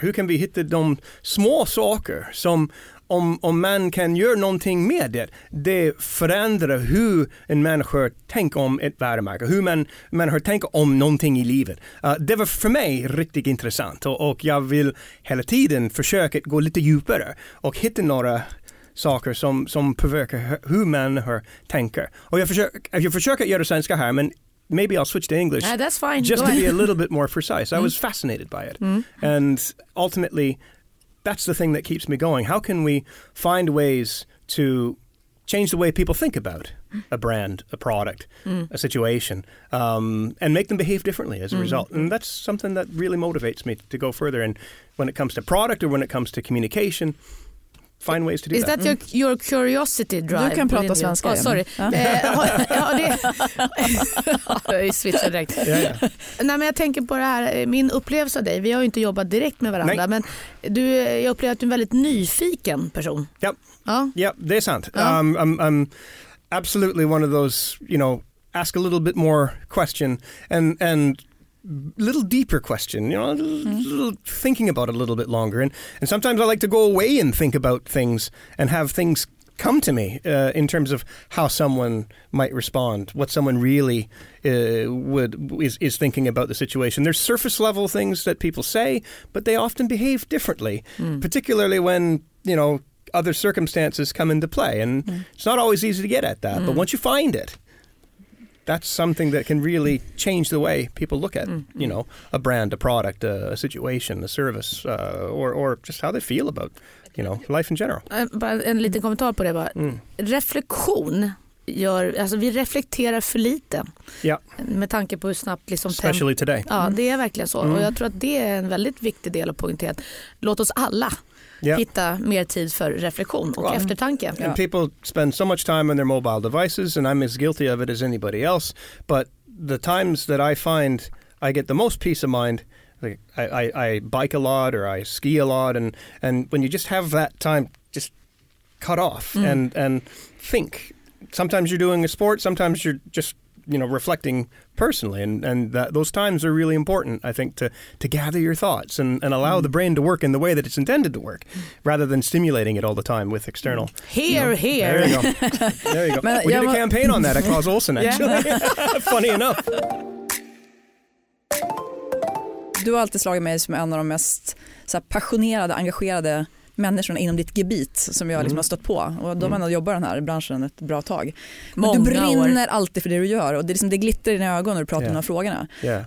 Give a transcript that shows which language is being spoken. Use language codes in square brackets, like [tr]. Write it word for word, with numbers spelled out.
[sv] Hur kan vi hitta de små saker som om, om man kan göra någonting med det, det förändrar hur en människa tänker om ett varumärke, hur man, människor tänker om någonting i livet. Uh, det var för mig riktigt intressant och, och jag vill hela tiden försöka gå lite djupare och hitta några saker som, som påverkar hur människor tänker. Och jag försöker, jag försöker göra svenska här, men [en] maybe I'll switch to English. Uh, that's fine. Just Go to ahead. Be a little bit more precise. I was fascinated by it. Mm. And ultimately, that's the thing that keeps me going. How can we find ways to change the way people think about a brand, a product, mm. a situation, um, and make them behave differently as a mm. result? And that's something that really motivates me to go further. And when it comes to product or when it comes to communication, find ways to do Is that. that your, your curiosity drive? [sv] Du kan prata svenska. [en] Oh, sorry. [sv] Ja. ja, det... jag switchar direkt. Ja, ja. Nej, men jag tänker på det här, min upplevelse av dig, vi har ju inte jobbat direkt med varandra, Nej. men du, jag upplever att du är en väldigt nyfiken person. Ja, ja. ja det är sant. Ja. [en] Um, I'm, I'm absolutely one of those, you know, ask a little bit more question and, and little deeper question, you know, little thinking about it a little bit longer. And, and sometimes I like to go away and think about things and have things come to me uh, in terms of how someone might respond, what someone really uh, would is, is thinking about the situation. There's surface level things that people say, but they often behave differently, mm. particularly when, you know, other circumstances come into play. And mm. it's not always easy to get at that, mm. but once you find it, that's something that can really change the way people look at, mm. you know, a brand, a product, a situation, a service, uh, or, or just how they feel about, you know, life in general. [sv] Uh, bara en liten kommentar på det bara. Mm. Reflektion. Gör, alltså vi reflekterar för lite [en] yeah. [sv] med tanke på hur snabbt liksom [en] especially today. [sv] Ja, det är verkligen så mm. och jag tror att det är en väldigt viktig del att poängtera. Låt oss alla yeah. hitta mer tid för reflektion och well, eftertanke. [en] And yeah. people spend so much time on their mobile devices and I'm as guilty of it as anybody else, but the times that I find I get the most peace of mind, like I, I, I bike a lot or I ski a lot and, and when you just have that time just cut off mm. and, and think. Sometimes you're doing a sport, sometimes you're just, you know, reflecting personally. And, and that, those times are really important, I think, to, to gather your thoughts and, and allow mm. the brain to work in the way that it's intended to work rather than stimulating it all the time with external. Here, you know, here. There you go. There you go. We did a campaign on that at Claes Olsson, actually. Funny enough. [sv] Du har alltid slagit mig som en av de mest så här, passionerade, engagerade människorna inom ditt gebit som jag liksom mm. har stött på. Och de mm. jobbar i den här branschen ett bra tag. Men många du brinner år. Alltid för det du gör och det, liksom, det glittrar i dina ögon när du pratar yeah. om de här frågorna. Yeah.